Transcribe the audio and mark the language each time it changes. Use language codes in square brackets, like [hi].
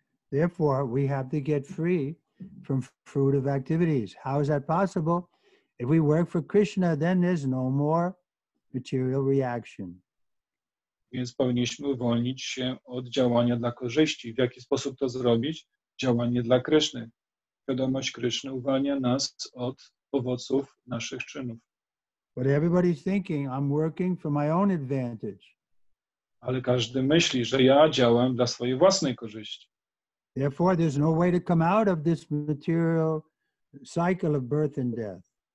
[en] Therefore, we have to get free from fruitive activities. How is that possible? If we work for Krishna, then there's no more material reaction. [pl] Więc powinniśmy uwolnić się od działania dla korzyści. W jaki sposób to zrobić? Działanie dla Kryszny. Świadomość Kryszny uwalnia nas od owoców naszych czynów. [en] But everybody's thinking, I'm working for my own advantage. [pl] Ale każdy myśli, że ja działam dla swojej własnej korzyści. [en] Therefore, there's no way to come out of this material cycle of birth and death.